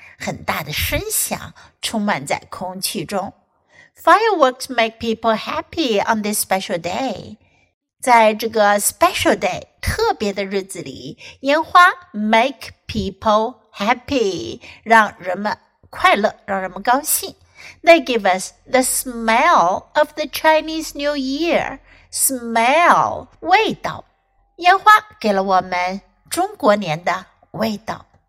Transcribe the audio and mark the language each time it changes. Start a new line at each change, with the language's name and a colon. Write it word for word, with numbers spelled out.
Chinese: 很大的声响充满在空气中。
English: Fireworks make people happy on this special day.
Chinese: 在这个 special day, 特别的日子里，烟花 make people happy, 让人们快乐，让人们高兴。
English: They give us the smell of the Chinese New Year. Smell, 味道。
Chinese: 烟花给了我们中国年的味道。